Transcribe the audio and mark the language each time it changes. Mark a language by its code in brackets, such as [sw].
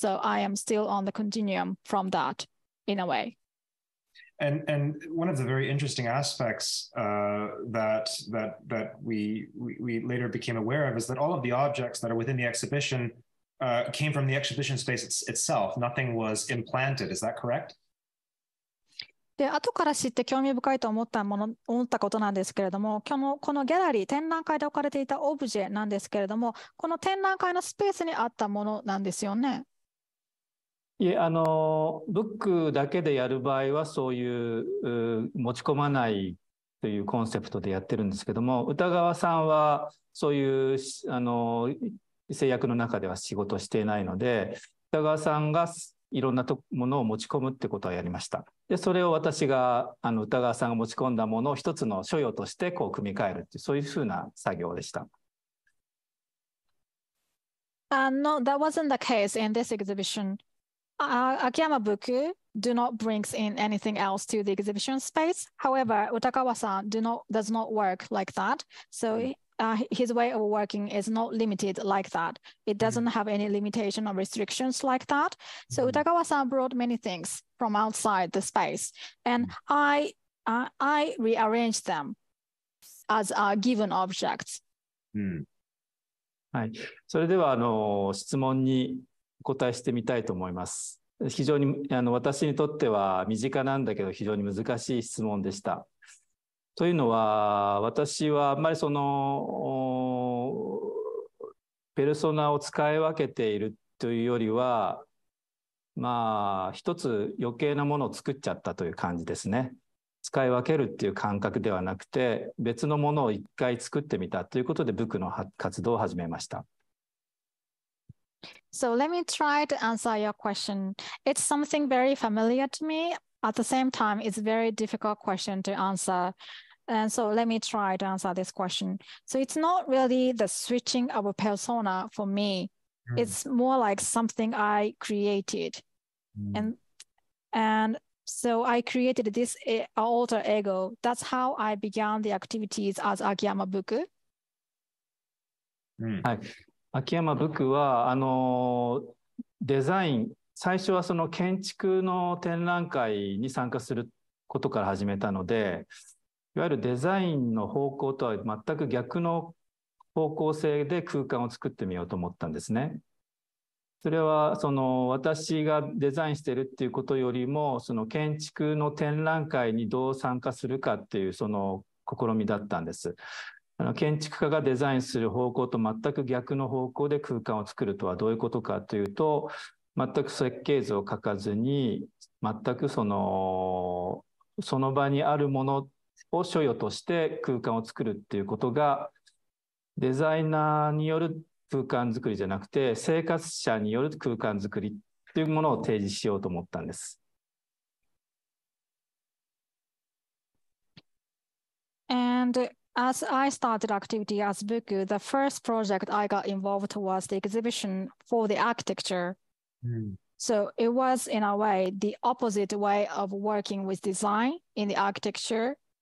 [en] So I am still on the continuum from that in a way. And one of the very interesting aspects that we later became aware of is that all of the objects that are within the exhibitioncame from the exhibition space itself. Nothing was implanted. Is that correct? [ja] で、後から知って興味深いと思ったもの、思ったことなんですけれども、このギャラリー、展覧会で置かれていたオブジェなんですけれども、この展覧会のスペースにあったものなんですよね。いや、あの、ブックだけでやる場合はそういう、持ち込まないというコンセプトでやってるんですけども、歌川さんはそういう、あの、制約の中では仕事していないので、北川さんがいろんなものを持ち込むってことはやりました。で、それを私が、あの、北川さんが持ち込んだものを一つの所有としてこう組み替えるっていう、そういうふうな作業でした。 [en] No, that wasn't the case in this exhibition. Akiyama Buku do not bring in anything else to the exhibition space. However, Utagawa-san does not work like that. So his way of working is not limited like that. It doesn't have any limitation or restrictions like that. So Utagawa-san brought many things from outside the space, and I rearranged them as given objects. [ja] はい。それでは、あの、質問に答えしてみたいと思います。非常に、あの、私にとっては身近なんだけど非常に難しい質問でした。というのは、私はあんまりその、ペルソナを使い分けているというよりは、まあ、一つ余計なものを作っちゃったという感じですね。使い分けるっていう感覚ではなくて、別のものを一回作ってみたということで、ブクの活動を始めました。 [en] So let me try to answer your question. It's something very familiar to me. At the same time, it's a very difficult question to answer. And so let me try to answer this question. So it's not really the switching of a persona for me. It's more like something I created. And so I created this alter ego. That's how I began the activities as Akiyama Buku. [ja] はい。 Akiyama Buku は、あの、デザイン、最初はその建築の展覧会に参加することから始めたので、いわゆるデザインの方向とは全く逆の方向性で空間を作ってみようと思ったんですね。それはその私がデザインしてるっていうことよりも、その建築の展覧会にどう参加するかっていうその試みだったんです。あの、建築家がデザインする方向と全く逆の方向で空間を作るとはどういうことかというと、全く設計図を書かずに、全くその場にあるものを所有として空間を作るっていうことが、デザイナーによる空間作りじゃなくて、生活者による空間作りっていうものを提示しようと思ったんです。 [en] And as I started activity as Buku, the first project I got involved was the exhibition for the architecture. So it was in a way the opposite way of working with design in the architecture.